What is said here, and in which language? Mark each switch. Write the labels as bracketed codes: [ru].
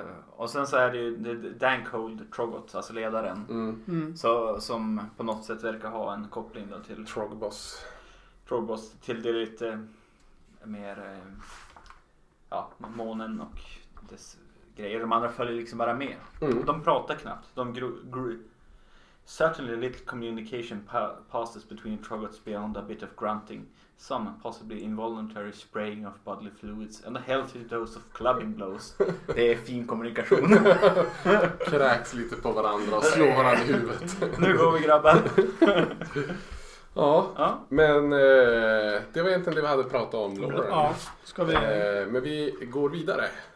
[sv] Och sen så är det ju Dankhold Trogoth, alltså ledaren. Mm. Så som på något sätt verkar ha en koppling då till Trogboss till det lite mer månen och dess grejer. De andra följer liksom bara med. Mm. De pratar knappt. [en] De certainly little communication passes between Trogoths beyond a bit of grunting, some possibly involuntary spraying of bodily fluids and a healthy dose of clubbing blows. [sv] Det är fin kommunikation. Kräks lite på varandra och slår varandra i huvudet. Nu går vi grabbar. Ja, men det var egentligen det vi hade pratat om, Lauren. Ja, ska vi... Men vi går vidare.